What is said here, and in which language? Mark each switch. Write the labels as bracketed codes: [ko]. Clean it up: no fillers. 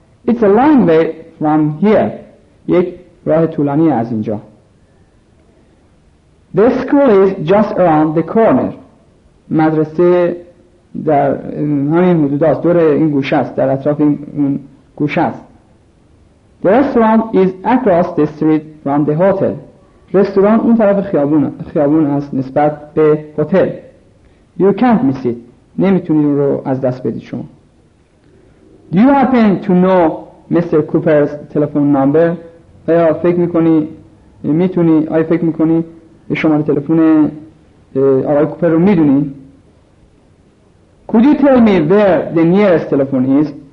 [en] It's a long way from here، [fa] یک راه طولانی از اینجا. [en] The school is just around the corner. [fa] مدرسه در همین حدود است، دور این گوشه است، در اطراف این گوشه است. [en] The restaurant is across the street from the hotel. [fa] رستوران اون طرف خیابون است نسبت به هتل. [en] You can't miss it. [fa] نمیتونید اون رو از دست بدید شما. [en] Do you happen to know Mr. Cooper's telephone number? [fa] آیا فکر میکنی میتونی آیا فکر میکنی شماره تلفن آقای کوپر رو میدونی؟ [en] Could you tell me where the nearest telephone is?